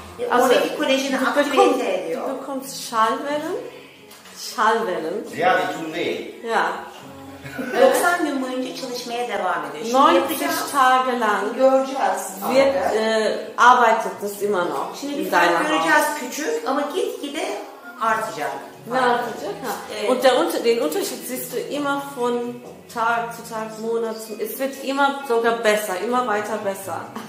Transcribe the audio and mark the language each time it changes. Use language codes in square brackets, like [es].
[de] Also ich kollege eine Abkühlung. Du bekommst Schallwellen. Schallwellen. Ja, die tun weh. Ja. [tr] 90 Minuten çalışmaya devam ediyor. [de] 90 Tage lang [tr] göreceğiz. [de] Wird arbeitet das immer noch. [tr] Şimdi bir daha göreceğiz küçük ama gitgide artacak. Ne artacak? Ha. [de] Und den Unterschied siehst du immer von Tag zu Tag, Monat zu Monat. Es wird immer sogar besser, immer weiter besser.